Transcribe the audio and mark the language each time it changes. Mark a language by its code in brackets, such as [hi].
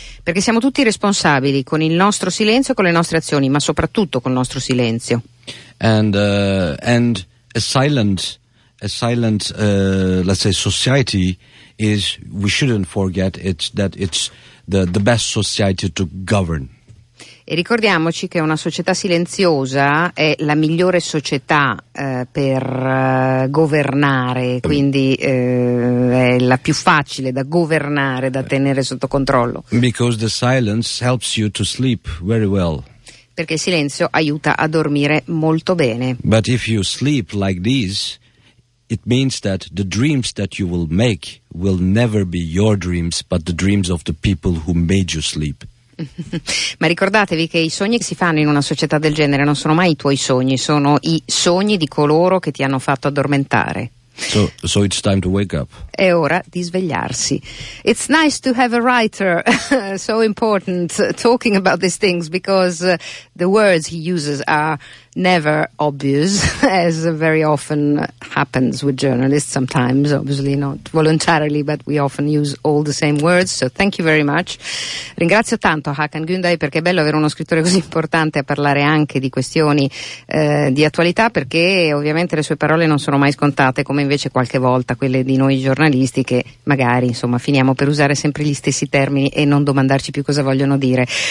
[it] Perché siamo tutti responsabili con il nostro silenzio, con le nostre azioni, ma soprattutto con il nostro silenzio. [en] And a silent let's say society is, we shouldn't forget it, that it's the best society to govern. [it] E ricordiamoci che una società silenziosa è la migliore società per governare, quindi è la più facile da governare, da tenere sotto controllo. [en] Because the silence helps you to sleep very well. [it] Perché il silenzio aiuta a dormire molto bene. [en] But if you sleep like this, it means that the dreams that you will make will never be your dreams, but the dreams of the people who made you sleep. [it] Ma ricordatevi che i sogni che si fanno in una società del genere non sono mai i tuoi sogni, sono i sogni di coloro che ti hanno fatto addormentare. [en] So it's time to wake up. [it] È ora di svegliarsi. [en] It's nice to have a writer so important talking about these things, because the words he uses are never obvious, as very often happens with journalists sometimes, obviously not voluntarily, but we often use all the same words, so thank you very much. [it] Ringrazio tanto Hakan Günday, perché è bello avere uno scrittore così importante a parlare anche di questioni di attualità, perché ovviamente le sue parole non sono mai scontate, come invece qualche volta quelle di noi giornalisti, che magari insomma finiamo per usare sempre gli stessi termini e non domandarci più cosa vogliono dire.